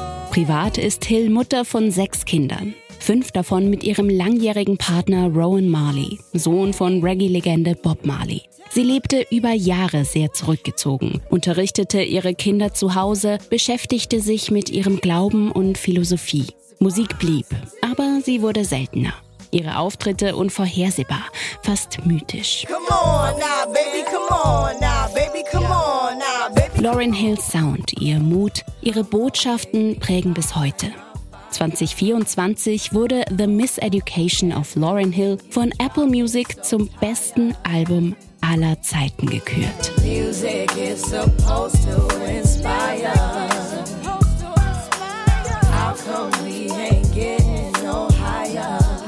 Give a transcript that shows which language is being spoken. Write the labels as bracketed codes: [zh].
[de] Privat ist Hill Mutter von 6 Kindern, 5 davon mit ihrem langjährigen Partner Rowan Marley, Sohn von Reggae-Legende Bob Marley. Sie lebte über Jahre sehr zurückgezogen, unterrichtete ihre Kinder zu Hause, beschäftigte sich mit ihrem Glauben und Philosophie. Musik blieb, aber sie wurde seltener. Ihre Auftritte unvorhersehbar, fast mythisch. [en] Come on now, baby, come on now, baby, come on now, baby. [de] Lauryn Hills Sound, ihr Mut, ihre Botschaften prägen bis heute. 2024 wurde The Miseducation of Lauryn Hill von Apple Music zum besten Album aller Zeiten gekürt. [en] Music is supposed to inspire. How come we ain't getting no higher?